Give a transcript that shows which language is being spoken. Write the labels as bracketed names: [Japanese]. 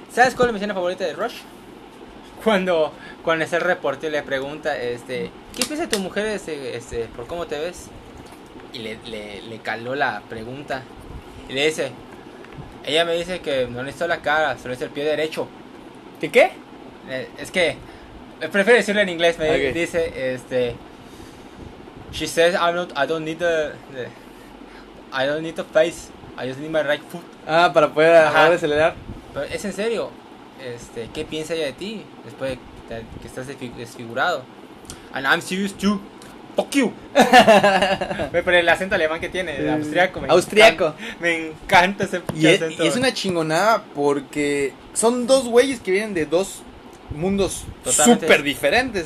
[Spanish] ¿Sabes cuál es mi escena favorita de Rush? Cuando es el reportero le pregunta, ¿qué piensa tu mujer por cómo te ves? Y le caló la pregunta. Y le dice, ella me dice que no necesito la cara, solo necesito el pie derecho. ¿De qué? Es que, prefiero decirlo en inglés, me okay. [English] Dice, she says I don't need the face, I just need my right foot. [Spanish] Ah, para poder acelerar. Pero es en serio. ¿Qué piensa ella de ti después de que estás desfigurado? And I'm serious too. Fuck you. Pero el acento alemán que tiene, el austriaco. Austriaco. Me encanta ese y acento. Y es una chingonada porque son dos güeyes que vienen de dos mundos súper diferentes.